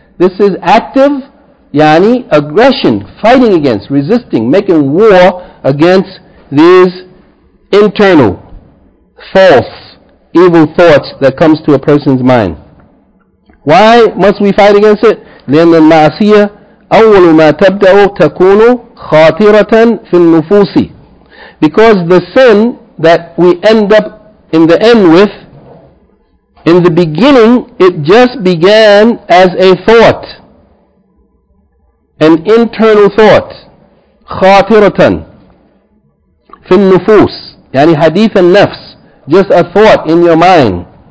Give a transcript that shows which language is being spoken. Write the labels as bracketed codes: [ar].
[en] This is active, yani, aggression, fighting against, resisting, making war against these internal, false, evil thoughts that comes to a person's mind. Why must we fight against it? [ar] لأن المعصية أول ما تبدأ تكون خاطرة في النفوس. [en] Because the sin that we end up in the end with, in the beginning, it just began as a thought, an internal thought, [ar] khatiratan, fi nufus, yani hadith al nafs, [en] just a thought in your mind.